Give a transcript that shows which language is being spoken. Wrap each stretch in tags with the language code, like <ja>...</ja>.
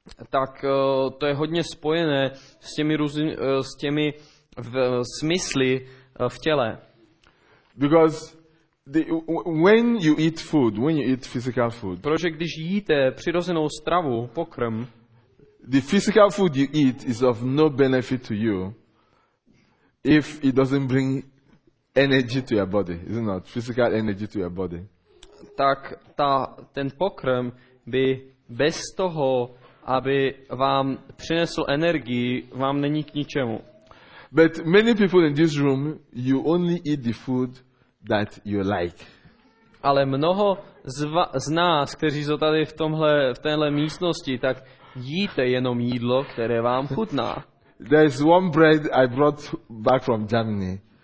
<cs>Tak to je hodně spojené s těmi smysly v těle.</cs> <en>Because When you eat food, when you eat physical food.</en> <cs>Protože když jíte přirozenou stravu, pokrm.</cs> <en>The physical food you eat is of no benefit to you if it doesn't bring energy to your body, is it not? Physical energy to your body.</en> <cs>Tak ten pokrm by bez toho, aby vám přinesl energii, vám není k ničemu.</cs> <en>But many people in this room, you only eat the food that you like.</en> <cs>Ale mnoho z nás, kteří jsou tady v tomhle, v téhle místnosti, tak jíte jenom jídlo, které vám chutná.</cs> <en>There is one bread I brought back from Germany.</en>